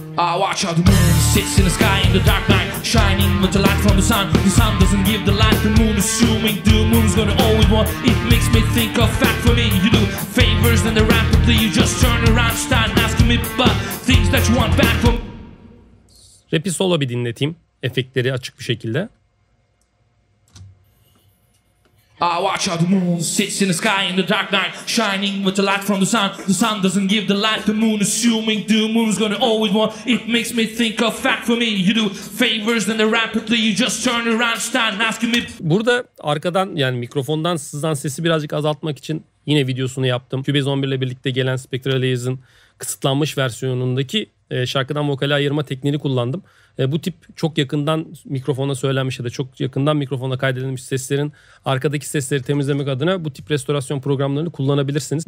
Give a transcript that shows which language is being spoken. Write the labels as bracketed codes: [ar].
[en] I watch how the moon sits in the sky in the dark night, shining with the light from the sun. The sun doesn't give the light, the moon assuming the moon's gonna always want. It makes me think of fact for me. You do favors and then rapidly you just turn around, start asking me about things that you want back from. [tr] Rap'i solo bir dinleteyim, efektleri açık bir şekilde. [en] I watch how the moon sits in the sky in the dark night, shining with the light from the sun. The sun doesn't give the light, the moon assuming the moon's gonna always want. It makes me think of fact for me. You do favors and then rapidly you just turn around, start asking me. [tr] Burada arkadan yani mikrofondan sızan sesi birazcık azaltmak için yine videosunu yaptım. Cubase 11 ile birlikte gelen Spectral Ease'in kısıtlanmış versiyonundaki şarkıdan vokali ayırma tekniğini kullandım. Bu tip çok yakından mikrofona söylenmiş ya da çok yakından mikrofona kaydedilmiş seslerin arkadaki sesleri temizlemek adına bu tip restorasyon programlarını kullanabilirsiniz.